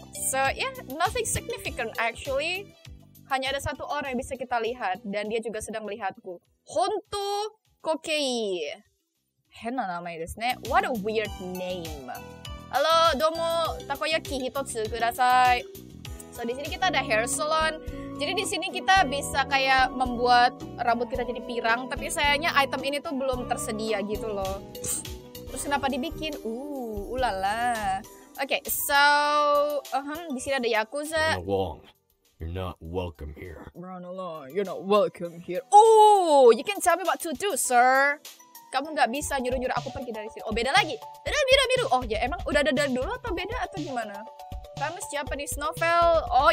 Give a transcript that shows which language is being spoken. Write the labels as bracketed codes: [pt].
[en] So, yeah, nothing significant actually. [id] Hanya ada satu orang yang bisa kita lihat dan dia juga sedang melihatku. [ja] Hontou Kokei. Hena namae desu ne. [en] What a weird name. Halo, domo. [ja] Takoyaki hitotsu kudasai. [id] So, di sini kita ada hair salon. Jadi di sini kita bisa kayak membuat rambut kita jadi pirang, tapi sayangnya item ini tuh belum tersedia gitu loh. Terus kenapa dibikin? Ulala. Oke, [en] okay, so [id] di sini ada yakuza. [en] Wong. You're not welcome here. Run along. You're not welcome here. Oh, you can tell me what to do, sir. [id] Kamu gak bisa nyuruh-nyuruh aku pergi dari sini. Oh, beda lagi. Ada biru-biru. Oh ya, emang udah ada dari dulu atau beda atau gimana? [en] Famous Japanese novel.